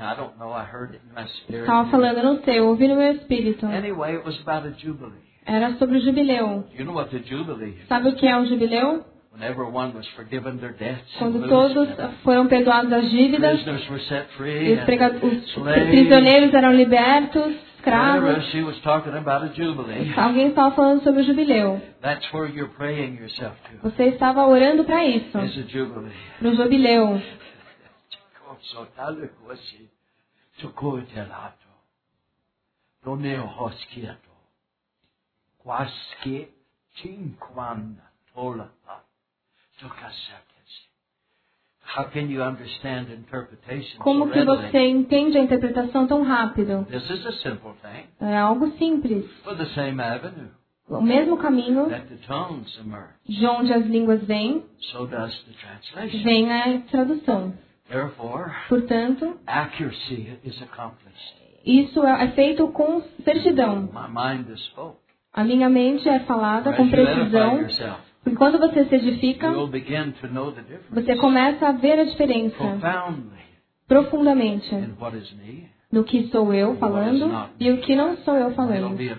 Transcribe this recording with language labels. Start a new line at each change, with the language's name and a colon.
English: I don't know. I heard it in my spirit.
Portuguese: Estava falando, não sei. Ouvi no meu espírito.
English: Anyway, it was about a jubilee.
Portuguese: Era sobre o jubileu.
English: You know what the jubilee is?
Portuguese: Sabe o que é um jubileu?
English: When everyone was forgiven their debts.
Portuguese: Quando todos foram perdoados das dívidas.
English: Prisoners were set free.
Portuguese: Os prisioneiros eram libertos.
English: She was talking about a jubilee.
Portuguese: Alguém estava falando sobre o jubileu.
English: That's where you're praying yourself to.
Portuguese: Você estava orando para isso.
English: It's a jubilee.
Portuguese: Pro jubileu. Corso tale così, tu coitelato, donne hoschiato, quasque cinquanta tolata, tu casacchesi.
English: How can you understand interpretation?
Portuguese: Como que você entende a interpretação tão rápido?
English: This is a simple thing.
Portuguese: É algo simples.
English: For the same avenue.
Portuguese: O mesmo caminho.
English: That the tongues emerge.
Portuguese: De onde as línguas vêm.
English: So does the translation.
Portuguese: Vem a tradução.
English: Therefore,
Portuguese: portanto,
English: accuracy is accomplished.
Portuguese: Isso é feito com certidão.
English: My mind is spoke.
Portuguese: A minha mente é falada com precisão. Enquanto você se edifica, você começa a ver a diferença profundamente no que sou eu falando e o que não sou eu falando.